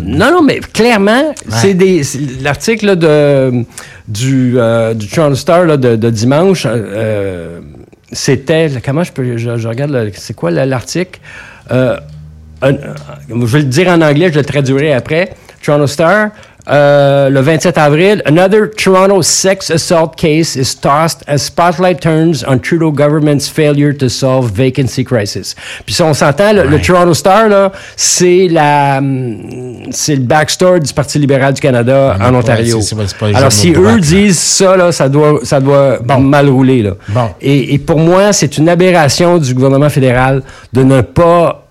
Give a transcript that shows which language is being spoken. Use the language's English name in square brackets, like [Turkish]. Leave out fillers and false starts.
[French] Non, mais clairement, ouais. c'est l'article là, du Toronto Star là, de dimanche, c'était... Comment je peux... Je regarde, là, c'est quoi l'article? Je vais le dire en anglais, je le traduirai après. Toronto Star... le 27 avril, [English] another Toronto sex assault case is tossed as spotlight turns on Trudeau government's failure to solve vacancy crisis. [French] Puis si on s'entend, le Toronto Star, là, c'est le backstory du Parti libéral du Canada en Ontario. Alors si eux disent ça, là, ça doit mal rouler. Là. Bon. Et pour moi, c'est une aberration du gouvernement fédéral de ne pas...